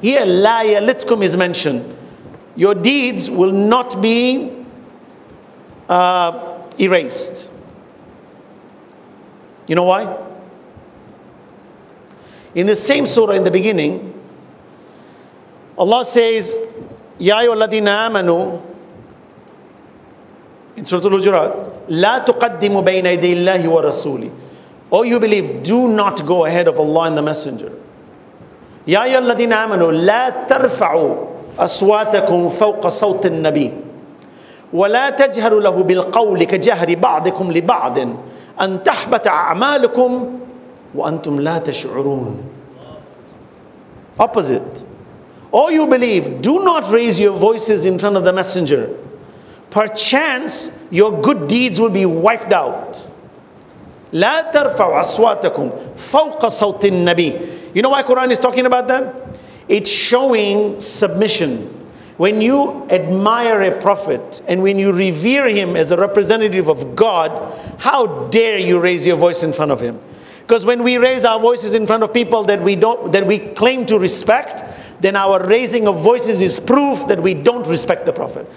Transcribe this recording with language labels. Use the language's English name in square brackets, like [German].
[English] Here, لَا يَلِتْكُم is mentioned. Your deeds will not be erased. You know why? In the same surah in the beginning, Allah says, [Arabic] يَا أَيُّهَا الَّذِينَ آمَنُوا. In Surah Al-Hujurat, لَا تُقَدِّمُ بَيْنَ يَدَيِ اللَّهِ وَرَسُولِهِ. [English] Oh, you believe, do not go ahead of Allah and the Messenger. [Arabic] يَا أَيُّهَا الَّذِينَ آمَنُوا لَا تَرْفَعُوا أَصْوَاتَكُمْ فَوْقَ صَوْتِ النَّبِيِّ وَلَا تَجْهَرُوا لَهُ بِالْقَوْلِ كَجَهْرِ بَعْضِكُمْ لِبَعْضٍ أَنْ تَحْبَطَ أَعْمَالُكُمْ وَأَنْتُمْ لَا تَشْعُرُونَ. [English] Opposite. Oh, you believe, do not raise your voices in front of the Messenger. Perchance, your good deeds will be wiped out. [Arabic] لا ترفعوا أصواتكم فوق صوت النبي. [English] You know why Quran is talking about that? It's showing submission. When you admire a prophet and when you revere him as a representative of God, how dare you raise your voice in front of him? Because when we raise our voices in front of people that we claim to respect, then our raising of voices is proof that we don't respect the prophet.